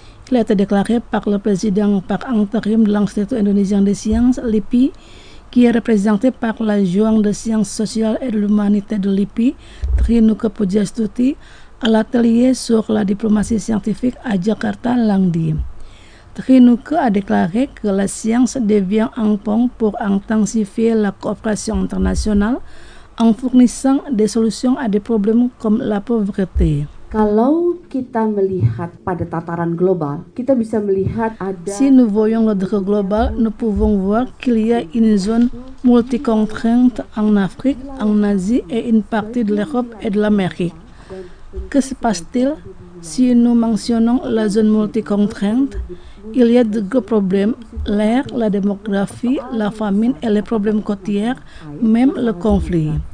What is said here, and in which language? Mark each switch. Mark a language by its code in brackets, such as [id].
[fr] Il a été déclaré par le président par intérim de l'Institut indonésien des sciences, LIPI, qui est représenté par la joint de sciences sociales et de l'humanité de LIPI, Trinuka Pujastuti, à l'atelier sur la diplomatie scientifique à Jakarta lundi. Trinuka a déclaré que la science devient un pont pour intensifier la coopération internationale en fournissant des solutions à des problèmes comme la pauvreté. [id] Kalau kita melihat pada tataran global, kita bisa melihat ada. [fr] Si nous voyons le drapeau global, nous pouvons voir qu'il y a une zone multi-contrainte en Afrique, en Asie et une partie de l'Europe et de l'Amérique. Que se passe-t-il si nous mentionnons la zone multi-contrainte? Il y a de gros problèmes, l'air, la démographie, la famine et les problèmes côtiers, même le conflit.